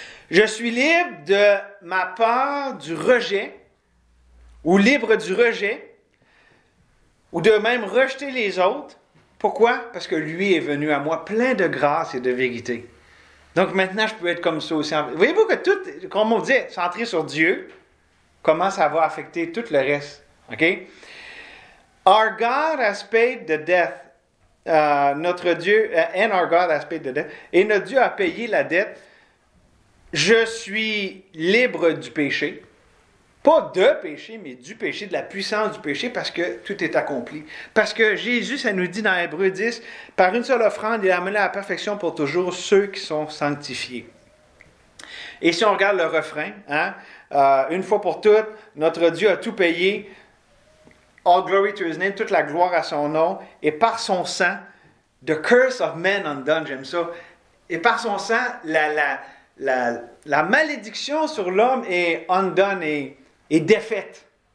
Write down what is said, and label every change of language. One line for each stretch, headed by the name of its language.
French: Je suis libre de ma peur du rejet ou libre du rejet. Ou de même rejeter les autres. Pourquoi? Parce que lui est venu à moi plein de grâce et de vérité. Donc maintenant, je peux être comme ça aussi. Voyez-vous que tout, comme on dit, centré sur Dieu, comment ça va affecter tout le reste? OK?
English: Our God has paid the debt.
French: Notre Dieu,
English: and our God has paid the debt.
French: Et notre Dieu a payé la dette. Je suis libre du péché. Pas de péché, mais du péché, de la puissance du péché, parce que tout est accompli. Parce que Jésus, ça nous dit dans Hébreux 10, « Par une seule offrande, il a amené à la perfection pour toujours ceux qui sont sanctifiés. » Et si on regarde le refrain, hein, « Une fois pour toutes, notre Dieu a tout payé,
English: all glory to his name,
French: toute la gloire à son nom, et par son sang,
English: the curse of men undone,
French: j'aime ça, et par son sang, la malédiction sur l'homme est undone et défaite.